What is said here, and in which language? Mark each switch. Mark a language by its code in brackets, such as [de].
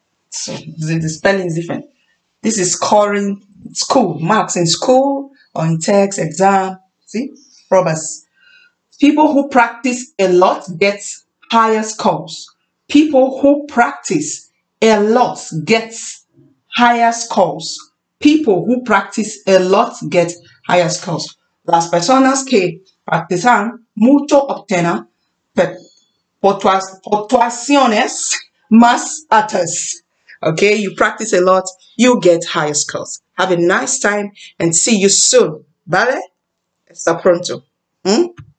[en] So the spelling is different. This is scoring school, marks in school or in text, exam. See? Robbers. People who practice a lot get higher scores. People who practice a lot get higher scores. People who practice a lot get higher scores. [es] Las personas que practican mucho obtienen puntuaciones más altas. [en] Okay, you practice a lot, you get higher scores. Have a nice time and see you soon. [es] Vale? Hasta pronto.